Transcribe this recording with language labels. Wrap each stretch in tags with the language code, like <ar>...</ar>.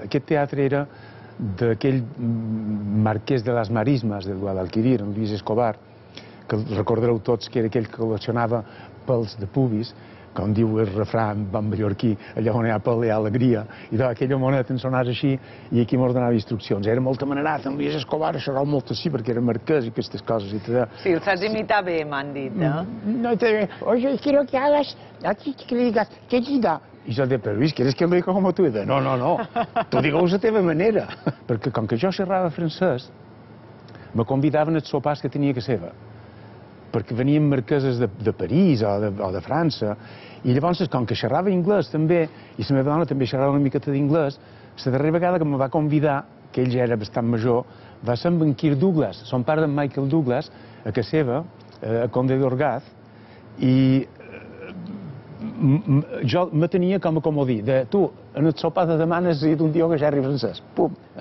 <ca>Aquest teatre era d'aquell marquès de les Marismes del Guadalquivir, en Luis Escobar, que recordareu tots que era aquell que col·leccionava pèls de pubis, com diu el refrà en mallorquí, allà on hi ha pel i alegria, i doncs aquell homonet en sonàs així, i aquí m'ho donava instruccions. Era molt amanerat, en Luis Escobar, això era molt així, perquè era marquès i aquestes coses. Sí, el saps imitar bé, m'han dit, eh? No, també.</ca> <es>Oye, quiero que hagas, aquí, que le digas, que gira.</es> <ca>I jo deia, però Luis,</ca> <es>¿quieres que lo diga como tú?</es> <ca>I deia, no, tu digues la teva manera. Perquè com que jo xerrava francès, me convidaven els sopars que tenia que ser. Perquè venien marqueses de París o de França, i llavors, com que xerrava anglès també, i la meva dona també xerrava una miqueta d'anglès, la darrera vegada que em va convidar, que ell ja era bastant major, va ser amb en Kirk Douglas, son pare d'en Michael Douglas, a casa seva, a Conde d'Orgaz, i jo me tenia com a comodí, de tu, en el sopar de demà necessito un tio que xerri francès, pum!</ca>